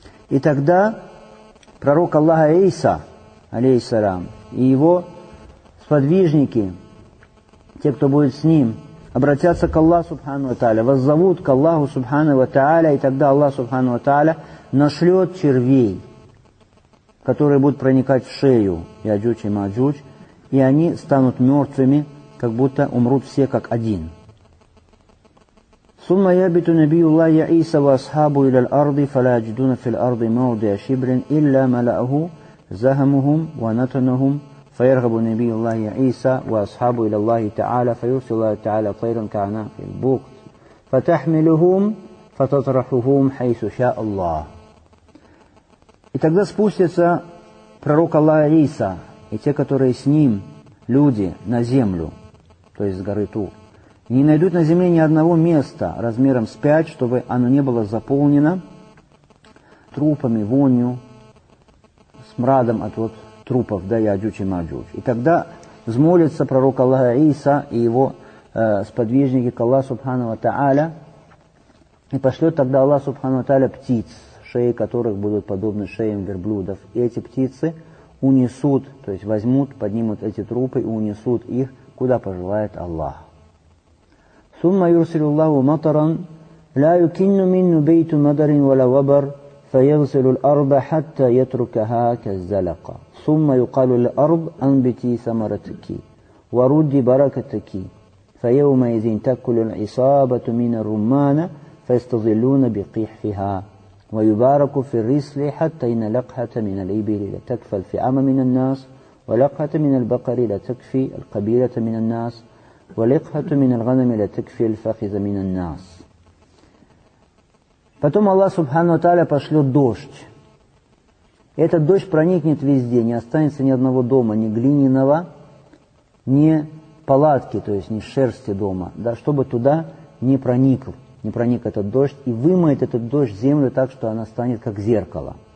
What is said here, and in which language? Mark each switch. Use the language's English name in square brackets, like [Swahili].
[Russian] И тогда пророк Аллаха Иса, алейхиссалам, и его сподвижники, те, кто будет с ним, обратятся к Аллаху Субхану ва Тааля, воззовут к Аллаху Субхану ва Тааля, и тогда Аллах Субхану ва Тааля нашлет червей, которые будут проникать в шею Яджуч и Маджуч, и они станут мертвыми, как будто умрут все как один. [Arabic] ثم يبت نبي الله عيسى واصحابه الى الارض فلا يجدون في الارض موضع شبر الا ملأه زهمهم ونتنهم فيرغب نبي الله عيسى واصحابه الى الله تعالى فيرسل الله تعالى طيرا كعناق البغت فتحملهم فتطرحهم حيث شاء الله. [Russian] И тогда спустится пророк Аллаха Иса и те, которые с ним, люди, на землю, то есть с горы Тур, и не найдут на земле ни одного места размером с пять, чтобы оно не было заполнено трупами, вонью, смрадом от вот трупов, да, Яджуч и Маджуч. И тогда взмолится пророк Аллаха Иса и его сподвижники к Аллаху Субхану ва Тааля, и пошлет тогда Аллах Субхану ва Тааля птиц, шеи которых будут подобны шеям верблюдов. И эти птицы унесут, то есть возьмут, поднимут эти трупы и унесут их, куда пожелает Аллах. [Arabic] ثم يرسل الله مطرا لا يكن منه بيت مدر ولا وبر فيغسل الأرض حتى يتركها كالزلقة ثم يقال للأرض أنبتي ثمرتك وردي بركتك فيومئذ تأكل العصابة من الرمان فيستظلون بقحفها ويبارك في الرسل حتى إن لقحة من الإبل لتكفى الفئام من الناس ولقحة من البقر لتكفي القبيلة من الناس وَلِقْحَةُ مِنَ الْغَنَمِ لَتَكْفِي الْفَخِذَ مِنَ النَّاسِ. [Russian] Потом Аллах Субхану Тааля пошлет дождь. И этот дождь проникнет везде, не останется ни одного дома, ни глиняного, ни палатки, то есть не шерсти дома, да, чтобы туда не проник, не проник этот дождь, и вымоет этот дождь землю так, что она станет как зеркало.